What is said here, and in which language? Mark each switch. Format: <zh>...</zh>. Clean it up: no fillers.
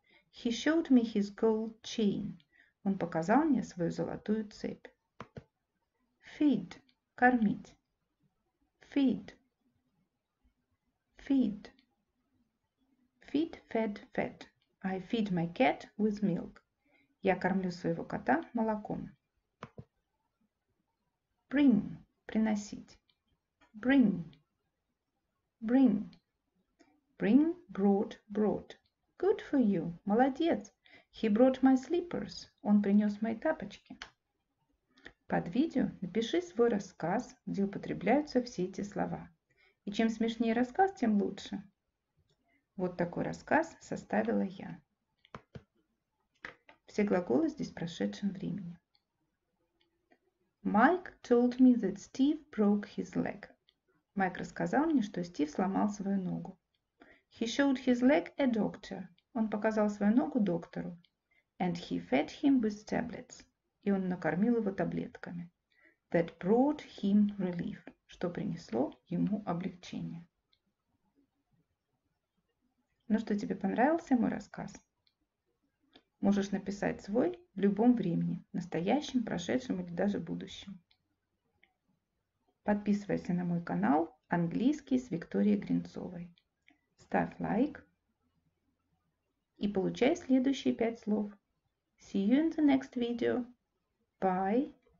<en>He showed me his gold chain.</en> <ru>Он показал мне свою золотую цепь.</ru> <en>Feed.</en> <ru>Кормить.</ru> <en>Feed. Feed. Feed, fed, fed. I feed my cat with milk.</en> <ru>Я кормлю своего кота молоком.</ru> <en>Bring.</en> <ru>Приносить.</ru> <en>Bring. Bring. Bring, brought, brought. Good for you.</en> <ru>Молодец.</ru> <en>He brought my slippers.</en> <ru>Он принес мои тапочки. Под видео напиши свой рассказ, где употребляются все эти слова. И чем смешнее рассказ, тем лучше. Вот такой рассказ составила я. Все глаголы здесь в прошедшем времени.</ru> <en>Mike told me that Steve broke his leg.</en> <ru>Майк рассказал мне, что Стив сломал свою ногу.</ru> <en>He showed his leg a doctor.</en> <ru>Он показал свою ногу доктору.</ru> <en>And he fed him with tablets.</en> <ru>И он накормил его таблетками.</ru> <en>That brought him relief.</en> <ru>Что принесло ему облегчение. Ну что, тебе понравился мой рассказ? Можешь написать свой в любом времени. Настоящем, прошедшем или даже будущем. Подписывайся на мой канал «Английский с Викторией Гринцовой». Ставь лайк. И получай следующие 5 слов.</ru> <en>See you in the next video. Bye.</en>